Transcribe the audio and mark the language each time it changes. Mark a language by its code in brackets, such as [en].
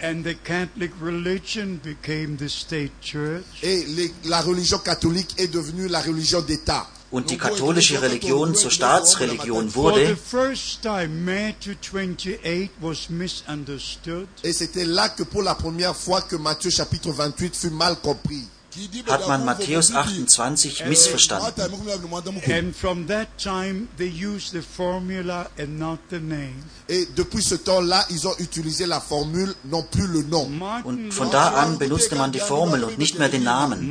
[en] And the Catholic religion became the state church. [fr] Et la religion catholique est devenue la religion d'État. [de] Und die katholische Religion zur Staatsreligion wurde. [en] For the first time, Matthew 28 was misunderstood. [fr] Et c'était là que pour la première fois que Matthieu chapitre 28 fut mal compris. [de] Hat man Matthäus 28 missverstanden. [en] And from that time they used the formula and not the name. [fr] Et depuis ce temps-là, ils ont utilisé la formule, non plus le nom. [de] Und von da an benutzte man die Formel und nicht mehr den Namen.